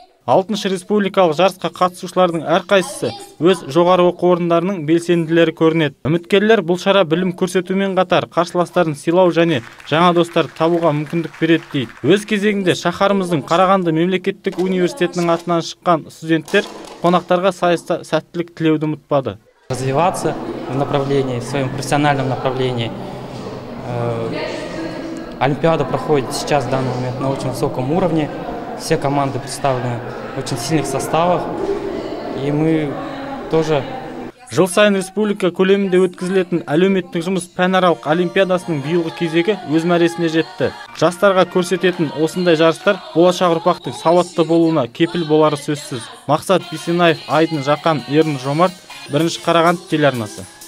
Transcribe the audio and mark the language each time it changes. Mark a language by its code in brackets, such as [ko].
[kk] 6-шы республикалық жарысқа қатысушылардың әрқайсысы өз жоғары оқу орындарының белсенділері көрінеді. Үміткерлер бұл шара білім көрсетумен қатар қарсыластарын сыйлау және жаңа достар табуға мүмкіндік береді дейді. Өз кезегінде шаһарымыздың Қарағанды мемлекеттік университетінің атынан шыққан студенттер қонақтарға сайыста сәттілік тілеуді ұмытпады. [ru] Развиваться в направлении, в своем профессиональном направлении. Олимпиада проходит сейчас в данный момент на очень высоком уровне. Все команды представлены в очень сильных составах, и мы тоже. [kk] Жыл сайын республика көлемінде өткізілетін әлеуметтік жұмыс пәнаралық олимпиадасының биылғы кезегі өз мәресіне жетті. Жастарға көрсететін осындай жарыстар болашақ ұрпақтың сауатты болуына кепіл болары сөзсіз. Мақсат Бисенаев, Айдын Жақан, Ерін Жомарт, 1-ші Қарағанды телеарнасы.